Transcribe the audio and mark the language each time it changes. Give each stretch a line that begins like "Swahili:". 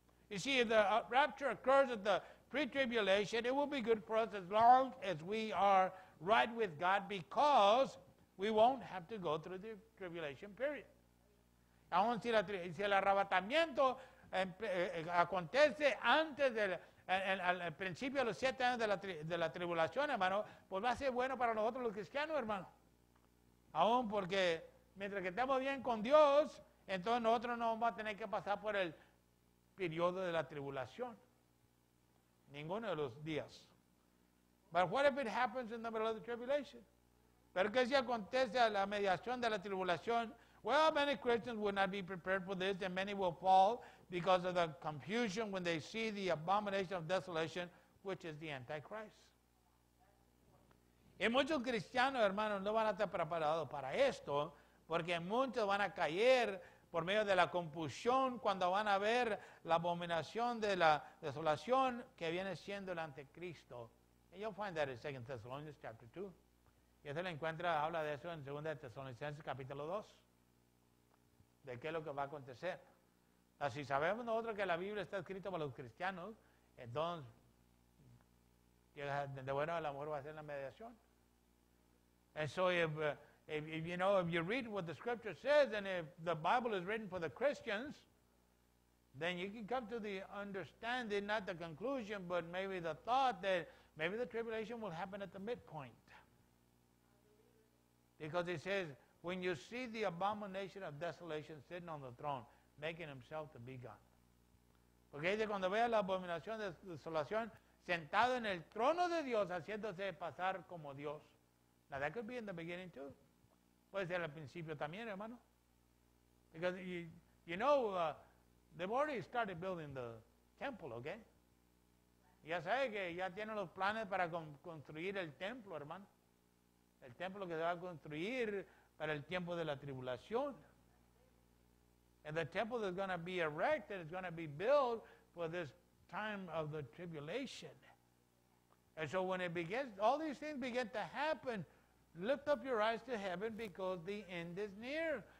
English: You see, if the rapture occurs at the pre-tribulation, it will be good for us as long as we are right with God because we won't have to go through the tribulation period.
Spanish: Aún si, si el arrebatamiento acontece antes del al principio de los 7 años de la tribulación, hermano, pues va a ser bueno para nosotros los cristianos, hermano. Aún porque mientras que estemos bien con Dios, entonces nosotros no vamos a tener que pasar por el periodo de la tribulación. Ninguno de los días.
English: But what if it happens in the middle of the tribulation?
Spanish: Pero que si acontece a la mediación de la tribulación,
English: well, many Christians will not be prepared for this and many will fall because of the confusion when they see the abomination of desolation, which is the Antichrist.
Spanish: Y muchos cristianos, hermanos, no van a estar preparados para esto porque muchos van a caer por medio de la confusión cuando van a ver la abominación de la desolación que viene siendo el Anticristo.
English: And you'll find that in 2 Thessalonians chapter 2.
Spanish: Y eso lo encuentra, habla de eso en 2 Tesalonicenses capítulo 2. De qué es lo que va a acontecer. Así sabemos nosotros que la Biblia está escrita para los cristianos, entonces, de bueno, el amor va a ser la mediación.
English: And so if you know, if you read what the scripture says, and if the Bible is written for the Christians, then you can come to the understanding, not the conclusion, but maybe the thought that maybe the tribulation will happen at the midpoint. Because it says, when you see the abomination of desolation sitting on the throne, making himself to be God.
Spanish: Porque dice, cuando vea la abominación de desolación, sentado en el trono de Dios, haciéndose pasar como Dios.
English: Now that could be in the beginning too.
Spanish: Puede ser al principio también, hermano.
English: Because they've already started building the temple, okay?
Spanish: Ya sabe que ya tienen los planes para construir el templo, hermano. El templo que se va a construir para el tiempo de la tribulación.
English: And the temple that's going to be erected is going to be built for this time of the tribulation. And so when it begins, all these things begin to happen, lift up your eyes to heaven because the end is near.